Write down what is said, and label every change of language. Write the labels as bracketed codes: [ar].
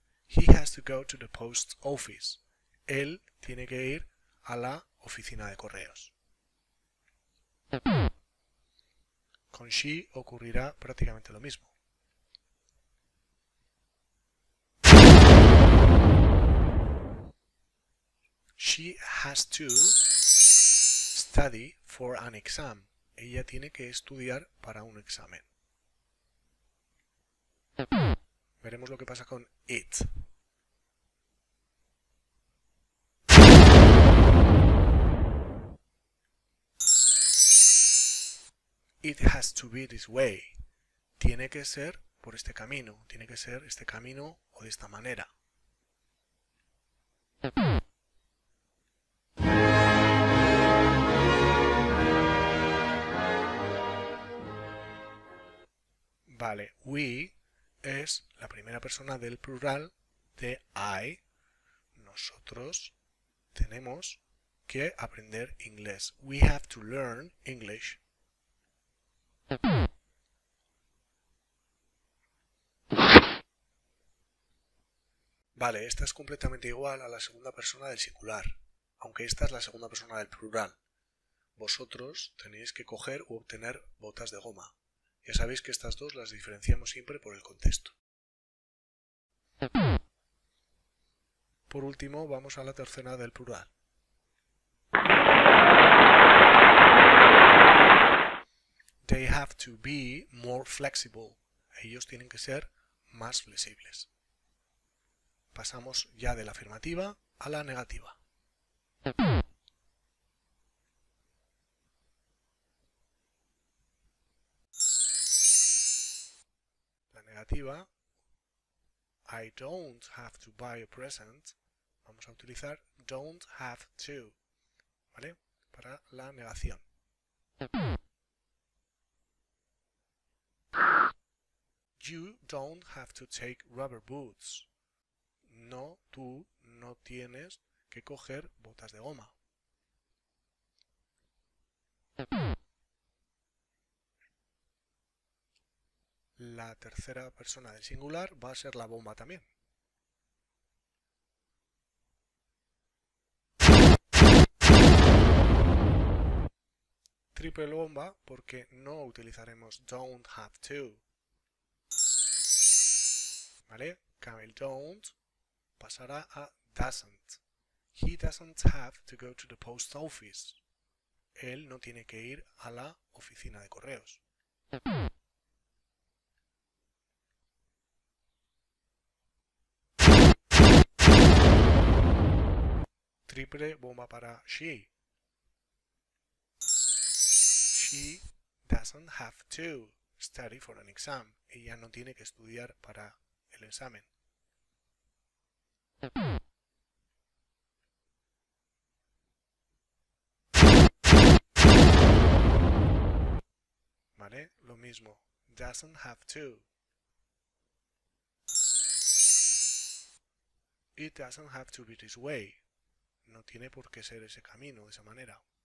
[en] He has to go to the post office. [es] Él tiene que ir a la oficina de correos. Con she ocurrirá prácticamente lo mismo. [en] She has to study for an exam. [es] Ella tiene que estudiar para un examen. Veremos lo que pasa con it. [en] It has to be this way. [es] Tiene que ser por este camino. Tiene que ser este camino o de esta manera. Vale, we es la primera persona del plural de I. Nosotros tenemos que aprender inglés. [en] We have to learn English. [es] Vale, esta es completamente igual a la segunda persona del singular, aunque esta es la segunda persona del plural. Vosotros tenéis que coger u obtener botas de goma. Ya sabéis que estas dos las diferenciamos siempre por el contexto. Por último, vamos a la tercera del plural. [en] They have to be more flexible. [es] Ellos tienen que ser más flexibles. Pasamos ya de la afirmativa a la negativa. La negativa, [en] I don't have to buy a present. [es] Vamos a utilizar [en] don't have to, [es] ¿vale? Para la negación. [en] You don't have to take rubber boots. [es] No, tú no tienes que coger botas de goma. La tercera persona del singular va a ser la bomba también. Triple bomba porque no utilizaremos [en] don't have to. [es] ¿Vale? Camel don't pasará a doesn't. [en] He doesn't have to go to the post office. [es] Él no tiene que ir a la oficina de correos. Triple bomba para she. [en] She doesn't have to study for an exam. [es] Ella no tiene que estudiar para el examen. ¿Vale? Lo mismo. [en] Doesn't have to. It doesn't have to be this way. [es] No tiene por qué ser ese camino, de esa manera.